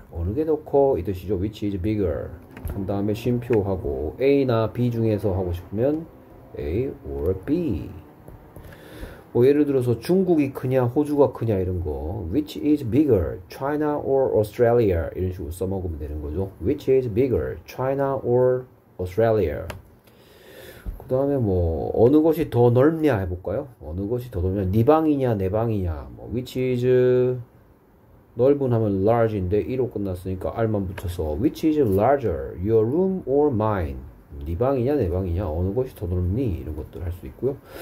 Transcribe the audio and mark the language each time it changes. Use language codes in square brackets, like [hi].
[ko] 어느 게더 커? 이 뜻이죠. [en] Which is bigger? [ko] 한 다음에 쉼표하고 A나 B 중에서 하고 싶으면 A or B. 뭐 예를 들어서 중국이 크냐 호주가 크냐 이런 거 [en] which is bigger China or Australia [ko] 이런 식으로 써먹으면 되는 거죠. [en] which is bigger China or Australia. [ko] 그 다음에 뭐 어느 것이 더 넓냐 해볼까요. 어느 것이 더 넓냐 네 방이냐 내 방이냐 뭐 [en] which is 넓은 하면 large인데 1로 끝났으니까 R만 붙여서 which is larger your room or mine [ko] 네 방이냐 내 방이냐 어느 것이 더 넓니 이런 것들 할수 있고요.